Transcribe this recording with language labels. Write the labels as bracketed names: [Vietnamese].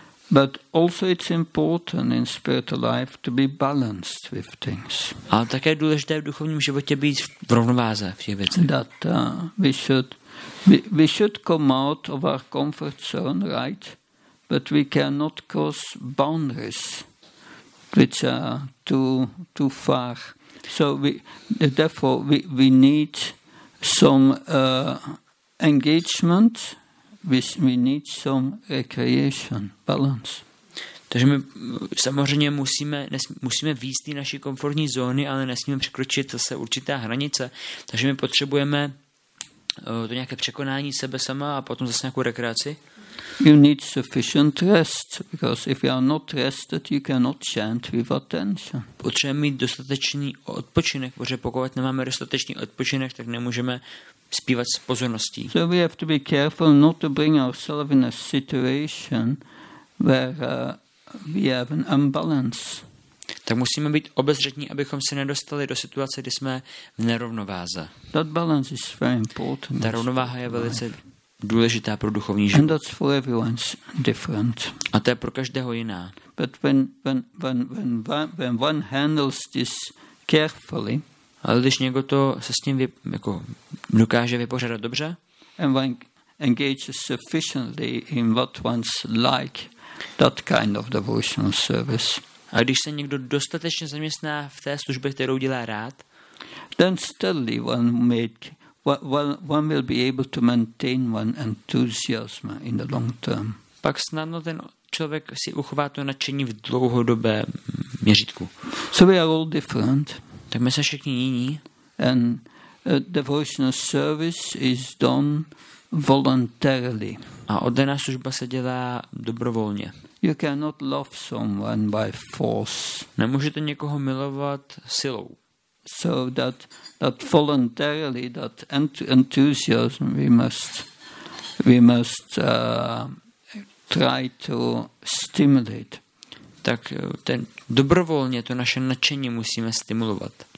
[English] But also it's important in spiritual life to be balanced with things. [Czech] Ale také je důležité v duchovním životě být v rovnováze v těch věcech. [English] That we should come out of our comfort zone, right? But we cannot cross boundaries which are too far. So therefore we need some engagement. We need some recreation, balance. [Czech] Takže my samozřejmě musíme vyjít z naší komfortní zóny, ale nesmíme překročit zase určitá hranice. Takže my potřebujeme to nějaké překonání sebe sama a potom zase nějakou rekreaci. [English] You need sufficient rest, because if you are not rested, you cannot chant with attention. [Czech] Potřebujeme mít dostatečný odpočinek, protože pokud nemáme dostatečný odpočinek, tak nemůžeme zpívat s pozorností. [English] So we have to be careful not to bring ourselves in a situation where we have an imbalance. [Czech] Tak musíme být obezřetní, abychom se nedostali do situace, kdy jsme v nerovnováze. [English] That balance is very important. [Czech] Ta rovnováha je velice důležitá pro duchovní život. [English] And that's for everyone's different. [Czech] A to je pro každého jiná. [English] But when one handles this carefully. [Czech] Ale když někdo to se s tím dokáže vypořádat dobře. [English] And one engages sufficiently in what one's like, that kind of devotional service. [Czech] A když se někdo dostatečně zaměstná v té službě, kterou dělá rád, [English] then steadily one will be able to maintain one enthusiasm in the long term. [Czech] Pak snadno ten člověk si uchová to nadšení v dlouhodobé měřítku. [English] So we are all different. [Czech] Tak my jsme všichni jiní. [English] And devotional service is done voluntarily. [Czech] A oddaná služba se dělá dobrovolně. [English] You cannot love someone by force. [Czech] Nemůžete někoho milovat silou. [English] So that voluntarily, that enthusiasm, we must try to stimulate. [Czech] Tak ten dobrovolně to naše nadšení musíme stimulovat.